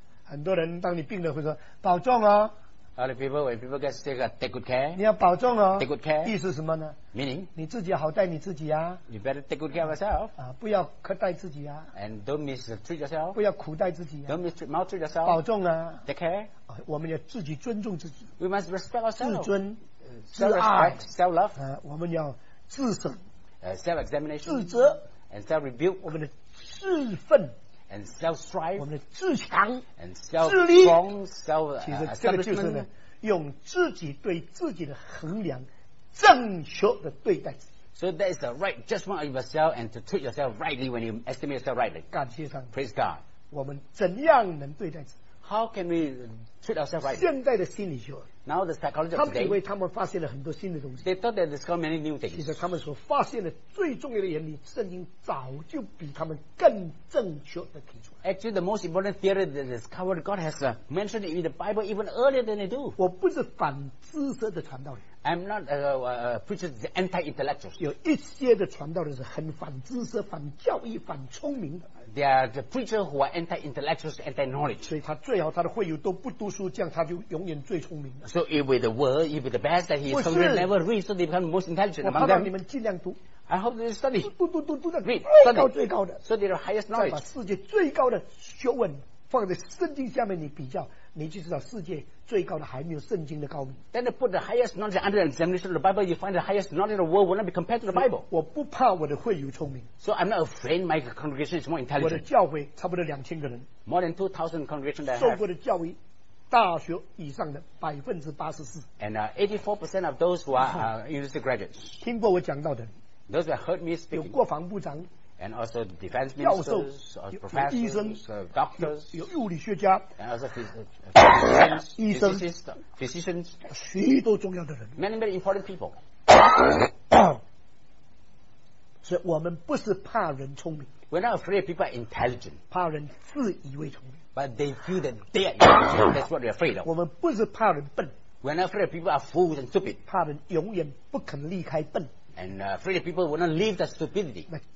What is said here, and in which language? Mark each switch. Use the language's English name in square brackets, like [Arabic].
[Chinese] 很多人当你病了会说保重啊。 [English] A lot of people, when people get sick, take good care. [Chinese] 你要保重哦。 [English] Take good care. [Chinese] 意思什么呢 [English] ？Meaning. [Chinese] 你自己好待你自己啊。 [English] You better take good care of yourself. [Chinese] 啊，不要苛待自己啊。 [English] And don't mistreat yourself. [Chinese] 不要苦待自己啊。 [English] Don't maltreat yourself. [Chinese] 保重啊。 [English] Take care. [Chinese] 啊，我们要自己尊重自己。 [English] We must respect ourselves. [Chinese] 自尊。 [English] Self-respect. Self-love. [Chinese] 啊，我们要自省。 [English] Self-examination. [Chinese] 自责。 [English] And self-rebuke. [Chinese] 我们的自奋。 [English] And self-strive, [Chinese] 我们的自强 [English] and self-strong, 自力 [Chinese] 其实这个就是呢，用自己对自己的衡量，正确的对待自己。 [English] So that is the right judgment of yourself and to treat yourself rightly when you estimate yourself rightly. [Chinese] 感谢上帝 [English] Praise God. [Chinese] 我们怎样能对待自己？ [English] How can we treat ourselves rightly? [Chinese] 现在的心理学 [English] Now the psychology of today, [Chinese] 他们以为他们发现了很多新的东西。 [English] They thought they discovered many new things. [Chinese] 其实他们所发现的最重要的原理，圣经早就比他们更正确的提出。 [English] Actually, the most important theory that they discovered, God has mentioned in the Bible even earlier than they do. [Chinese] 我不是反知识的传道人。 [English] I'm not a preacher the anti-intellectual. [Chinese] 有一些的传道人是很反知识、反教义、反聪明的。 [English] They are the preacher who are anti-intellectuals, anti-knowledge. [Chinese] 所以他最好他的会友都不读书，这样他就永远最聪明的。 [English] So if with the word, if with the best that he is told, never read, so they become most intelligent among them. [Chinese] 我盼望你们尽量读。 [English] I hope they study. [Chinese] 读的最高最高的。 [English] So they are highest knowledge. [Chinese] 再把世界最高的学问放在圣经下面，你比较。你就知道世界最高的还没有圣经的高明。 [English] Then they put the highest knowledge under examination of the Bible, you find the highest knowledge of the world will not be compared to the Bible. [Chinese] 我不怕我的会友聪明。 [English] So I'm not afraid my congregation is more intelligent. [Chinese] 我的教会差不多2000个人。 [English] More than 2,000 congregation that I have. [Chinese] 受过的教育，大学以上的84%。 [English] And 84% of those who are university graduates. [Chinese] 听过我讲到的。 [English] Those who heard me speak. [Chinese] 有国防部长。 [English] And also defense ministers, professors, [Chinese] 医生 [English] doctors, [Chinese] 有物理学家 [English] and also physicians, physicians, [Chinese] 许多重要的人 [English] many very important people. [Chinese] 所以我们不是怕人聪明 [English] We're not afraid people are intelligent. [Chinese] 怕人自以为聪明 [English] But they feel that they are intelligent. That's what they're afraid of. [Chinese] 我们不是怕人笨 [English] We're not afraid people are fools and stupid. [Chinese] 怕人永远不肯离开笨 [English] And And afraid people will not leave the stupidity.